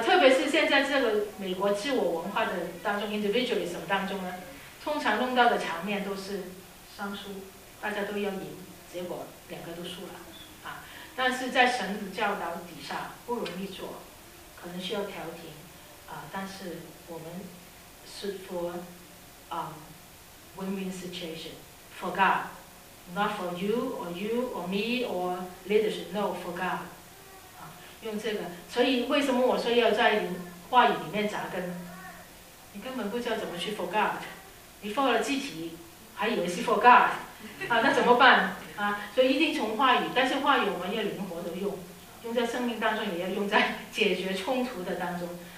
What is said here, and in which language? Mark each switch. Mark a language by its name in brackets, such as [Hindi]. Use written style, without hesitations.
[Chinese] 特别是现在这个美国自我文化的当中 ，individualism 当中呢，通常弄到的场面都是双输，大家都要赢，结果两个都输了啊。但是在神的教导底下不容易做，可能需要调停。 [English] 但是我们是 for win-win situation for God, not for you or me or leadership. No, for God. [Chinese] 用这个，所以为什么我说要在话语里面扎根？你根本不知道怎么去 for God， 你 for 了自己，还以为是 for God 啊？那怎么办啊？所以一定从话语，但是话语我们要灵活的用，用在生命当中，也要用在解决冲突的当中。